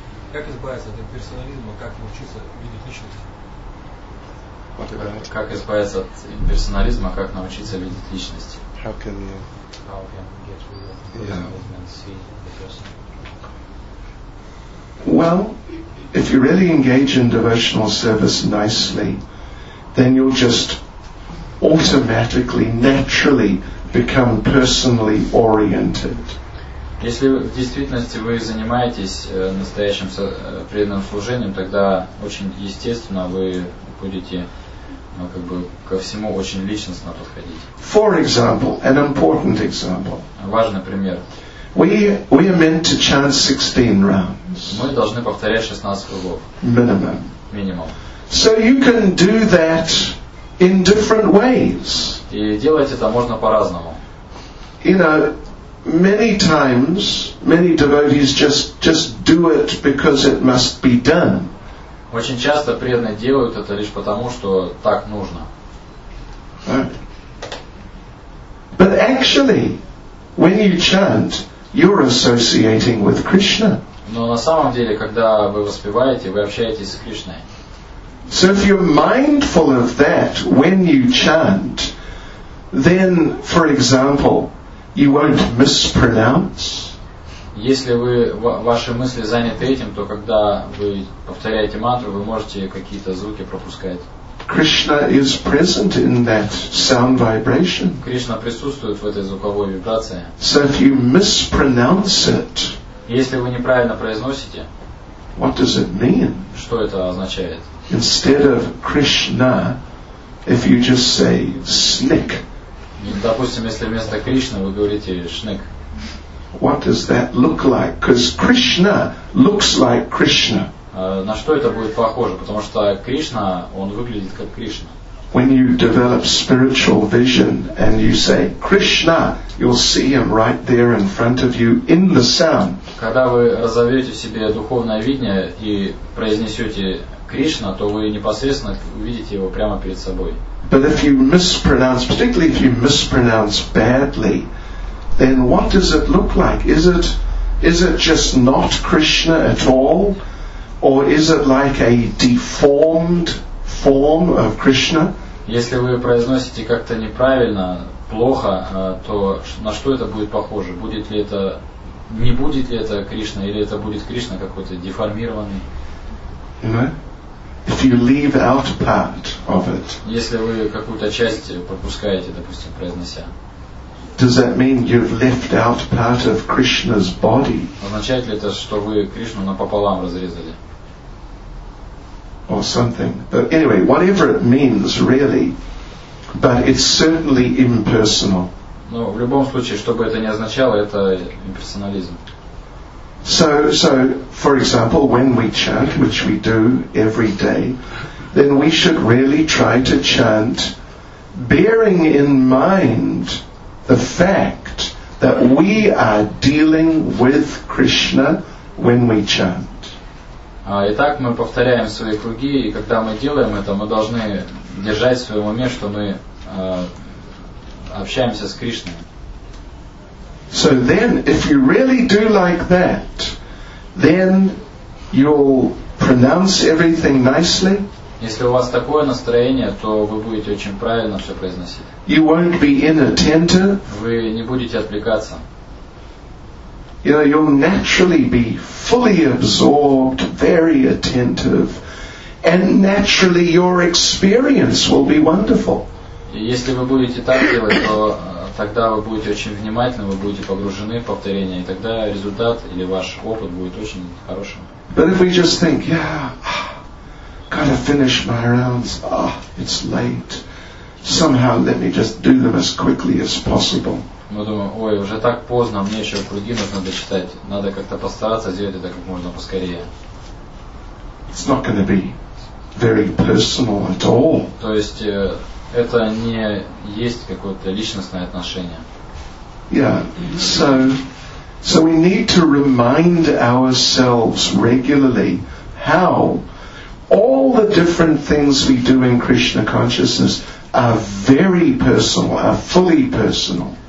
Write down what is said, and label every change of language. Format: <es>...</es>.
<ru>Как избавиться от имперсонализма, как научиться видеть личность? Как избавиться от имперсонализма, как научиться видеть личность?</ru> <en>How can you? How can you get rid of personalism and see the person? Well, if you really engage in devotional service nicely, then you'll just automatically, naturally become personally oriented.</en> <ru>Если в действительности вы занимаетесь настоящим преданным служением, тогда очень естественно вы будете, ну, как бы ко всему очень личностно подходить.</ru> <en>For example, an important example.</en> <ru>Важный пример.</ru> <en>We are meant to chant 16 rounds.</en> <ru>Мы должны повторять 16 кругов.</ru> <en>Minimum.</en> <ru>Минимум.</ru> <en>So you can do that in different ways.</en> <ru>И делать это можно по-разному.</ru> <en>You know, many times, many devotees just do it because it must be done.</en> <ru>Очень часто преданные делают это лишь потому, что так нужно.</ru> <en>But actually, when you chant, you're associating with Krishna.</en> <ru>Но на самом деле, когда вы воспеваете, вы общаетесь с Кришной.</ru> <en>So if you're mindful of that when you chant, then, for example, you won't mispronounce.</en> <ru>Если вы ваши мысли заняты этим, то когда вы повторяете мантру, вы можете какие-то звуки пропускать.</ru> <en>Krishna is present in that sound vibration.</en> <ru>Кришна присутствует в этой звуковой вибрации.</ru> <en>So if you mispronounce it,</en> <ru>если вы неправильно произносите,</ru> <en>what does it mean?</en> <ru>Что это означает?</ru> <en>Instead of Krishna, if you just say snick.</en> <ru>Допустим, если вместо Кришны вы говорите шнык.</ru> <en>What does that look like? Because Krishna looks like Krishna.</en> <ru>На что это будет похоже? Потому что Кришна, он выглядит как Кришна.</ru> <en>When you develop spiritual vision and you say Krishna, you'll see him right there in front of you in the sound.</en> <ru>Когда вы разовьете в себе духовное видение и произнесете Кришна, то вы непосредственно увидите его прямо перед собой.</ru> <en>But if you mispronounce, particularly if you mispronounce badly, then what does it look like? Is it just not Krishna at all? Or is it like a deformed form of Krishna?</en> <ru>Если вы произносите как-то неправильно, плохо, то на что это будет похоже? Будет ли это, не будет ли это Кришна, или это будет Кришна какой-то деформированный?</ru> <en>If you leave out part of it,</en> <ru>если вы какую-то часть пропускаете, допустим, произнося,</ru> <en>does that mean you've left out part of Krishna's body?</en> <ru>Означает ли это, что вы Кришну напополам разрезали?</ru> <en>Or something. But anyway, whatever it means, really, but it's certainly impersonal.</en> <ru>Но в любом случае, что бы это ни означало, это имперсонализм.</ru> <en>So, for example, when we chant, which we do every day, then we should really try to chant bearing in mind the fact that we are dealing with Krishna when we chant.</en> <ru>Итак, мы повторяем свои круги, и когда мы делаем это, мы должны держать в своем уме, что мы общаемся с Кришной.</ru> <en>So then, if you really do like that, then you'll pronounce everything nicely.</en> <ru>Если у вас такое настроение, то вы будете очень правильно все произносить.</ru> <en>You won't be inattentive.</en> <ru>Вы не будете отвлекаться.</ru> <en>You know, you'll naturally be fully absorbed, very attentive, and naturally your experience will be wonderful.</en> <ru>И если вы будете так делать, то тогда вы будете очень внимательны, вы будете погружены в повторение, и тогда результат или ваш опыт будет очень хорошим.</ru> <en>But if we just think, yeah, gotta finish my rounds, oh, it's late, somehow let me just do them as quickly as possible.</en> <ru>Мы думаем, ой, уже так поздно, мне еще круги нужно дочитать, надо как-то постараться сделать это как можно поскорее.</ru> <en>It's not going to be very personal at all.</en> <ru>То есть это не есть какое-то личностное отношение.</ru> <en>Yeah, so we need to remind ourselves regularly how all the different things we do in Krishna consciousness are very personal, are fully personal.</en>